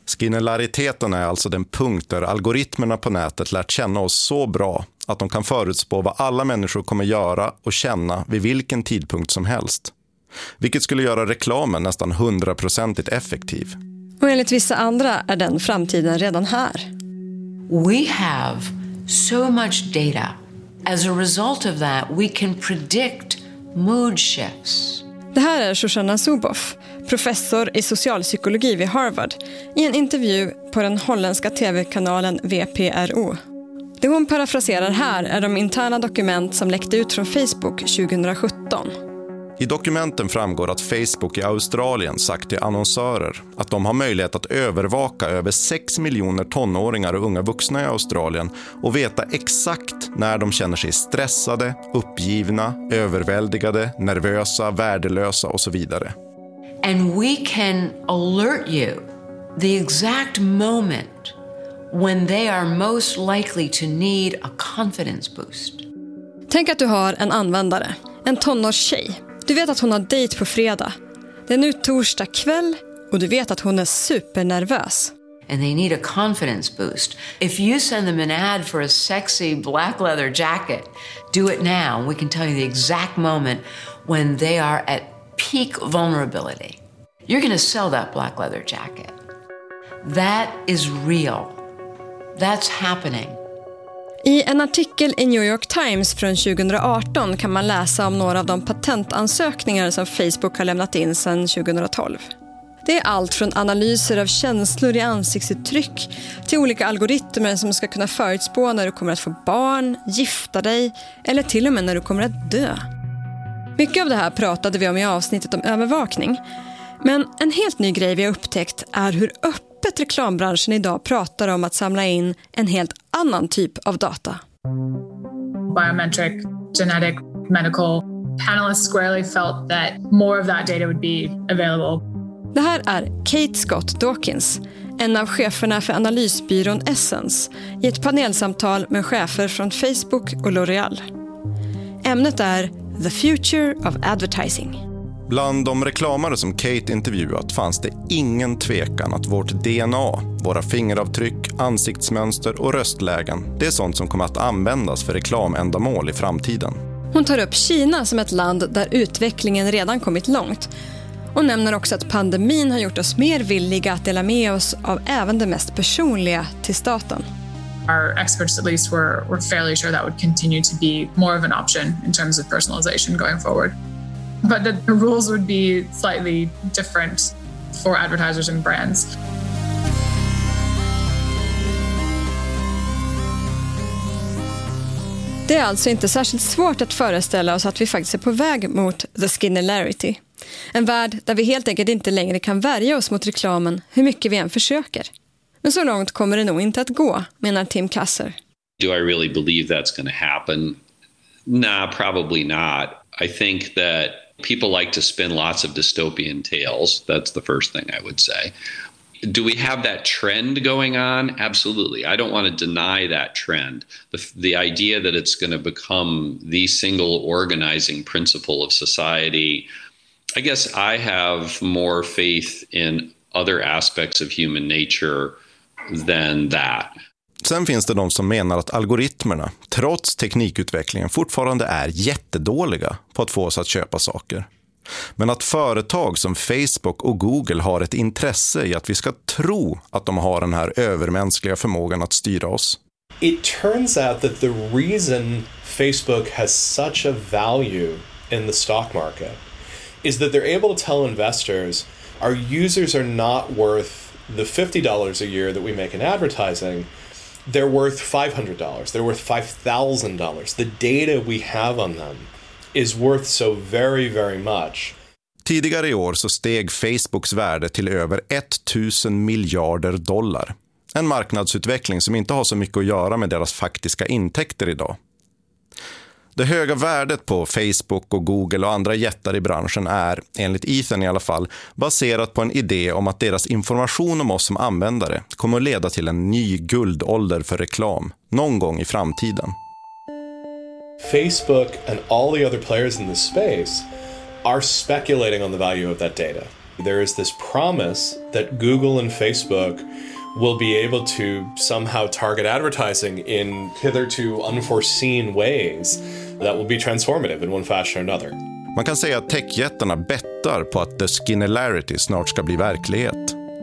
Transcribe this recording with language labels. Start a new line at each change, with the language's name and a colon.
Swedish: Skinnerariteten är alltså den punkt där algoritmerna på nätet lärt känna oss så bra att de kan förutspå vad alla människor kommer göra och känna vid vilken tidpunkt som helst. Vilket skulle göra reklamen nästan 100% effektiv. Och enligt vissa andra är den framtiden redan här.
English: We have so much data. As a result of that we can predict mood shifts.
Swedish: Det här är Shoshana Zuboff, professor i socialpsykologi vid Harvard, i en intervju på den holländska tv-kanalen VPRO. Det hon parafraserar här är de interna dokument som läckte ut från Facebook 2017. I dokumenten framgår att Facebook i Australien sagt till annonsörer att de har möjlighet att övervaka över 6 miljoner tonåringar och unga vuxna i Australien och veta exakt när de känner sig stressade, uppgivna, överväldigade, nervösa, värdelösa och så vidare.
English: And we can alert you the exact moment when they are most likely to need a confidence boost.
Swedish: Tänk att du har en användare, en tonårstjej. Du vet att hon har dejt på fredag. Det är nu torsdag kväll och du vet att hon är supernervös.
English: And they need a confidence boost. If you send them an ad for a sexy black leather jacket, do it now. We can tell you the exact moment when they are at peak vulnerability. You're going to sell that black leather jacket. That is real. That's happening.
Swedish: I en artikel i New York Times från 2018 kan man läsa om några av de patentansökningar som Facebook har lämnat in sedan 2012. Det är allt från analyser av känslor i ansiktsuttryck till olika algoritmer som ska kunna förutspå när du kommer att få barn, gifta dig eller till och med när du kommer att dö. Mycket av det här pratade vi om i avsnittet om övervakning. Men en helt ny grej vi har upptäckt är hur öppet reklambranschen idag pratar om att samla in en helt annan typ av data.
English: Biometric, genetic, medical. Panelists squarely felt that more of that data would be available.
Swedish: Det här är Kate Scott Dawkins, en av cheferna för analysbyrån Essence, i ett panelsamtal med chefer från Facebook och L'Oréal. Ämnet är The Future of Advertising. Bland de reklamare som Kate intervjuat fanns det ingen tvekan att vårt DNA, våra fingeravtryck, ansiktsmönster och röstlägen, det är sånt som kommer att användas för reklamändamål i framtiden. Hon tar upp Kina som ett land där utvecklingen redan kommit långt och nämner också att pandemin har gjort oss mer villiga att dela med oss av även det mest personliga till staten.
English: Our experts at least were fairly sure that would continue to be more of an option in terms of personalization going forward. But the rules would be slightly different for advertisers and brands.
Swedish: Det är alltså inte särskilt svårt att föreställa oss att vi faktiskt är på väg mot the skinnerarity. En värld där vi helt enkelt inte längre kan värja oss mot reklamen hur mycket vi än försöker. Men så långt kommer det nog inte att gå, menar Tim Kasser.
English: Do I really believe that's going to happen? Nah, probably not. I think that people like to spin lots of dystopian tales. That's the first thing I would say. Do we have that trend going on? Absolutely. I don't want to deny that trend. The idea that it's going to become the single organizing principle of society, I guess I have more faith in other aspects of human nature than that.
Swedish: Sen finns det de som menar att algoritmerna, trots teknikutvecklingen, fortfarande är jättedåliga på att få oss att köpa saker. Men att företag som Facebook och Google har ett intresse i att vi ska tro att de har den här övermänskliga förmågan att styra oss.
English: It turns out that the reason Facebook has such a value in the stock market is that they're able to tell investors our users are not worth the $50 a year that we make in advertising. They're worth $500. They're worth $5,000. The data we have on them is worth so very, very much.
Swedish: Tidigare i år så steg Facebooks värde till över 1000 miljarder dollar. En marknadsutveckling som inte har så mycket att göra med deras faktiska intäkter idag. Det höga värdet på Facebook och Google och andra jättar i branschen är, enligt Ethan i alla fall, baserat på en idé om att deras information om oss som användare kommer att leda till en ny guldålder för reklam någon gång i framtiden.
English: Facebook and all the other players in this space are speculating on the value of that data. There is this promise that Google and Facebook will be able to somehow target advertising in hitherto unforeseen ways that will be transformative in one fashion or another.
Swedish: Man kan säga att techjättarna bettar på att the skinnerarity snart ska bli verklighet.